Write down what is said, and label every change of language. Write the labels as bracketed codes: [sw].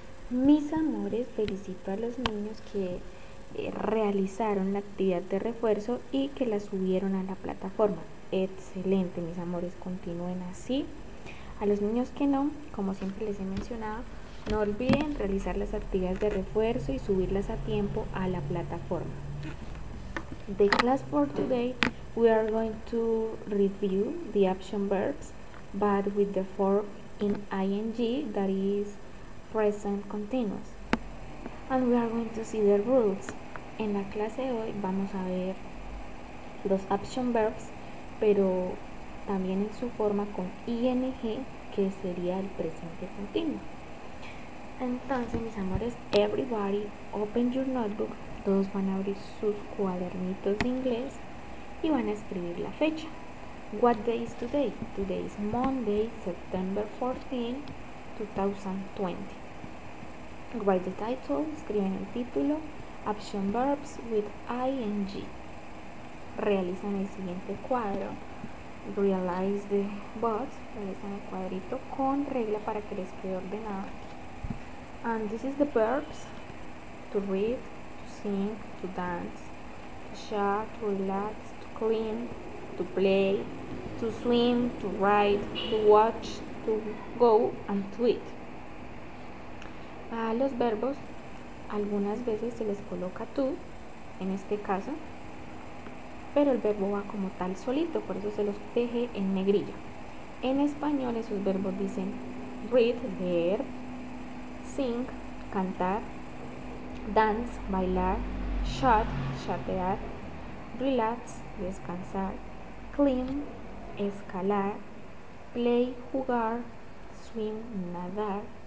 [es] Mis amores, felicito a los niños que realizaron la actividad de refuerzo y que la subieron a la plataforma. Excelente, mis amores, continúen así. A los niños que no, como siempre les he mencionado, no olviden realizar las actividades de refuerzo y subirlas a tiempo a la plataforma. [en] The class for today, we are going to review the action verbs, but with the form in ing, that is present continuous, and we are going to see the rules. [es] En la clase de hoy vamos a ver los action verbs, pero también en su forma con ing, que sería el presente continuo. Entonces, mis amores, [en] everybody open your notebook. [es] Todos van a abrir sus cuadernitos de inglés y van a escribir la fecha. [en] What day is today? Today is Monday, September 14, 2020. Write the title, [es] escriben el título, [en] action verbs with ing. [es] Realizan el siguiente cuadro, [en] realize the box, [es] realizan el cuadrito con regla para que les quede ordenado. [en] And this is the verbs, to read, to sing, to dance, to shop, to relax, to clean, to play, to swim, to write, to watch, to go, and to eat. [es] A los verbos, algunas veces se les coloca to, en este caso, pero el verbo va como tal solito, por eso se los deje en negrilla. En español esos verbos dicen read, leer, sing, cantar, dance, bailar, shot, chatear, relax, descansar, clean, escalar, play, jugar, swim, nadar.